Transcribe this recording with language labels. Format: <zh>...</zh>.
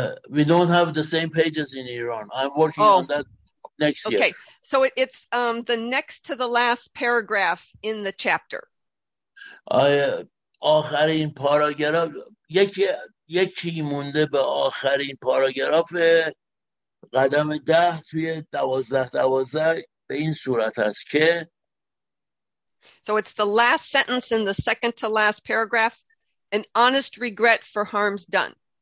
<en>We don't have the same pages in Iran. I'm working on that. Next year. Okay, so it's the next to the last paragraph in the chapter.</en> <fa>آخرین پاراگراف یکی مونده به آخرین پاراگراف قدم ده توی دوازده دوازده به این صورت است که.</fa> <en>So it's the last sentence in the second to last paragraph, an honest regret for harms done.</en>